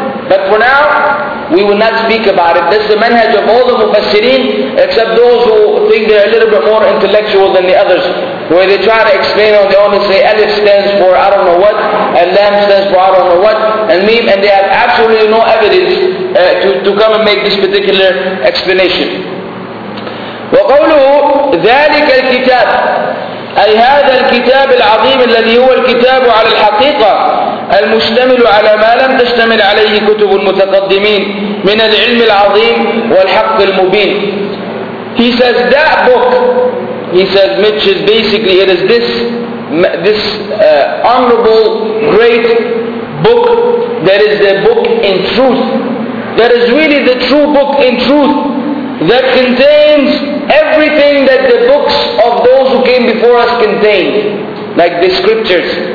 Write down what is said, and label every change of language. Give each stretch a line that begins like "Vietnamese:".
English: But for now, we will not speak about it. This is the manhaj of all the mufassireen, except those who think they're a little bit more intellectual than the others, where they try to explain on their own and say Alif stands for I don't know what, and Lam stands for I don't know what, and Mim, and they have absolutely no evidence to come and make this particular explanation.
Arabic: وقوله ذلك الكتاب أي هذا الكتاب العظيم الذي هو الكتاب على الحقيقة المشتمل على ما لم تشتمل عليه كتب المتقدمين من العلم العظيم والحق المبين.
English: He says that book, he says, which is basically, it is this honorable, great book, that is the book in truth. That is really the true book in truth that contains everything that the books of those who came before us contained, like the scriptures.